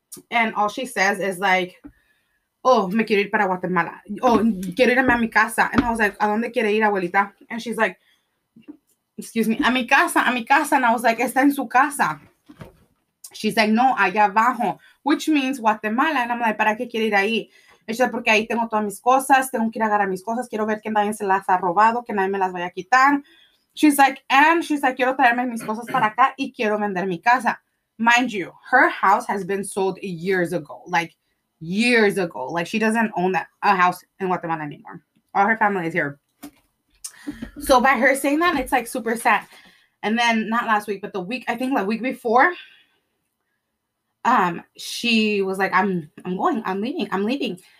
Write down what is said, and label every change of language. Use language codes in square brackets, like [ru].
[en] And all she says is like, oh, [es] me quiero ir para Guatemala. Oh, quiero irme a mi casa. [en] And I was like, [es] ¿a dónde quiere ir, abuelita? [en] And she's like, excuse me, [es] a mi casa. [en] And I was like, [es] está en su casa. [en] She's like, no, [es] allá abajo, [en] which means Guatemala. And I'm like, [es] ¿para qué quiere ir ahí? Eso porque ahí tengo todas mis cosas, tengo que ir a agarrar mis cosas, quiero ver que nadie se las ha robado, que nadie me las vaya a quitar. [en] She's like, and she's like, [es] quiero traerme mis cosas para acá y quiero vender mi casa. [en] Mind you, her house has been sold years ago. Like, years ago. Like, she doesn't own a house in Guatemala anymore. All her family is here. So, by her saying that, it's, like, super sad. And then, not last week, but the week, I think, like, week before, she was like, I'm leaving.